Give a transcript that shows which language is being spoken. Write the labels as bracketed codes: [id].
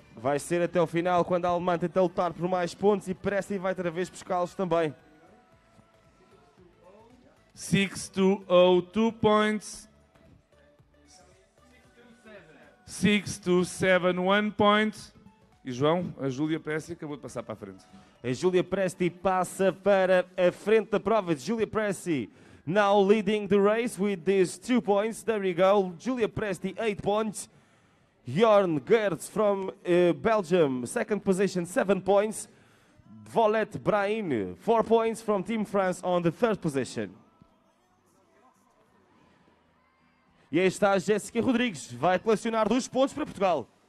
[pt] Vai ser até ao final, quando a Alemanha tenta lutar por mais pontos e Presti vai outra vez buscá-los também. [en] 6-2-0, 2 points. 6-2-7, 1 point. [pt] E João, a Julia Presti acabou de passar para a frente. A Julia Presti passa para a frente da prova. [en] Julia Presti now leading the race with these 2 points. There we go. Julia Presti, 8 points. Jorn Gertz from Belgium, second position, 7 points. Volet Brain, 4 points from Team France on the third position. [pt] E aí está a Jéssica Rodrigues, vai colecionar 2 pontos para Portugal.